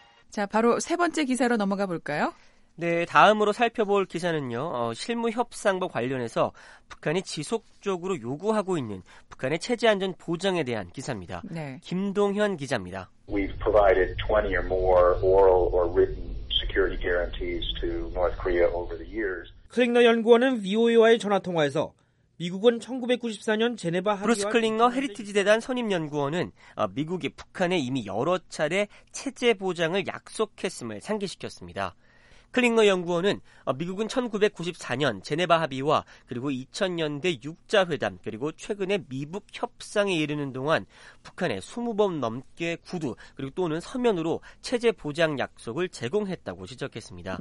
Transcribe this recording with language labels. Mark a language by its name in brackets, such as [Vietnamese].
[Korean] 자, 바로 세 번째 기사로 넘어가 볼까요? 네, 다음으로 살펴볼 기사는요. 실무협상과 관련해서 북한이 지속적으로 요구하고 있는 북한의 체제 안전 보장에 대한 기사입니다. 네. 김동현 기자입니다. [English] We've provided 20 or more oral or written security guarantees to North Korea over the years. [Korean] 클링너 연구원은 VOA와의 전화 통화에서 미국은 1994년 제네바 합의와 브루스 클링너 헤리티지 대단 선임 연구원은 미국이 북한에 이미 여러 차례 체제 보장을 약속했음을 상기시켰습니다. 클링너 연구원은 미국은 1994년 제네바 합의와 그리고 2000년대 6자회담 그리고 최근에 미북 협상에 이르는 동안 북한에 20번 넘게 구두 그리고 또는 서면으로 체제 보장 약속을 제공했다고 지적했습니다.